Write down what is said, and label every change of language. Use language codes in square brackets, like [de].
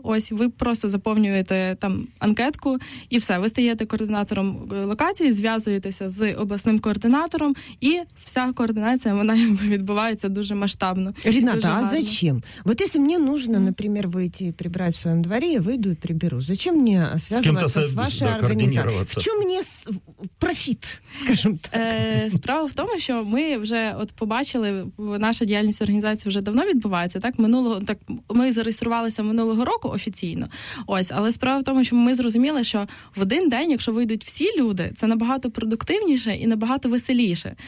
[uk] Ось, ви просто заповнюєте там анкетку і все. Ви стаєте координатором локації, зв'язуєтеся з обласним координатором і вся координація, вона відбувається дуже масштабно. [ru] Рената, а зачем? [uk] От якщо мені потрібно, наприклад, вийти і прибрати в своєму дворі, я вийду і приберу. [ru] Зачем? Чем мне связываться с вашей организацией? В чем мне профит, скажем так? [uk] Справа в тому, що ми вже от побачили, наша діяльність організації вже давно відбувається, так? Минулого, так, ми зареєструвалися минулого року офіційно. Ось, але справа в тому, що ми зрозуміли, що в один день, якщо вийдуть всі люди, це набагато продуктивніше і набагато веселіше.